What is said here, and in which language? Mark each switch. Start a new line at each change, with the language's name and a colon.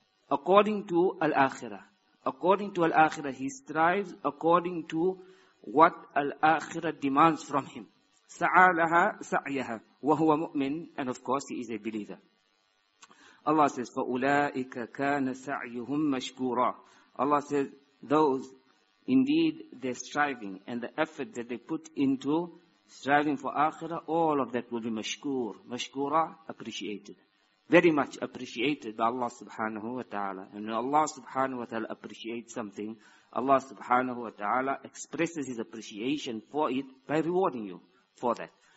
English: According to al-akhirah. According to al-akhirah, he strives according to what al-akhirah demands from him.
Arabic: سَعَى لَهَا سَعْيَهَا وَهُوَ مُؤْمِنٌ.
English: And of course, he is a believer. Allah says,
Arabic: فَأُولَٰئِكَ كَانَ سَعْيُهُمْ مَشْكُورًا.
English: Allah says, those, indeed, they're striving and the effort that they put into striving for akhirah, all of that will be mashkur. Mashkura, appreciated. Very much appreciated by Allah subhanahu wa ta'ala. And when Allah subhanahu wa ta'ala appreciates something, Allah subhanahu wa ta'ala expresses his appreciation for it by rewarding you for that.